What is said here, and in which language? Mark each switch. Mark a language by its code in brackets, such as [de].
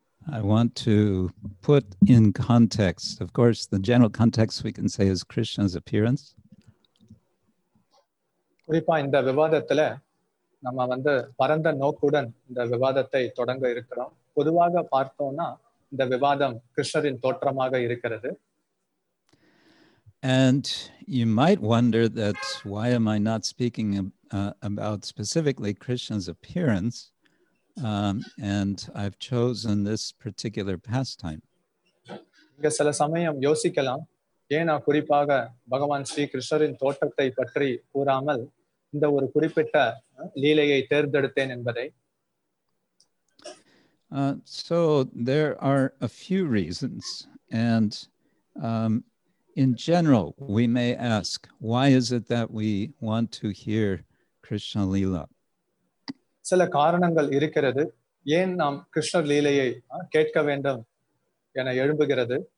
[en] I want to put in context, of course, the general context we can say is Krishna's appearance. [ta] குறிப்பா இந்த விவாதத்துல நம்ம வந்து பரந்த நோக்குடன் இந்த விவாதத்தை தொடங்க இருக்கிறோம். பொதுவாக பார்த்தோம்னா இந்த விவாதம் கிருஷ்ணரின் தோற்றமாக இருக்கிறது. [en] And you might wonder that why am I not speaking about specifically Krishna's appearance? And I've chosen this particular pastime. [ta] இங்கே சில சமயம் யோசிக்கலாம், ஏன் குறிப்பாக பகவான் ஸ்ரீ கிருஷ்ணரின் தோற்றத்தை பற்றி கூறாமல் இந்த ஒரு குறிப்பிட்ட லீலையை தேர்ந்தெடுத்தேன் என்பதை. [en] So there are a few reasons, and in general we may ask, why is it that we want to hear Krishna Leela? [ta] சில காரணங்கள் இருக்கிறது, ஏன் நாம் கிருஷ்ணர் லீலையை கேட்க வேண்டும் என எழும்புகிறது.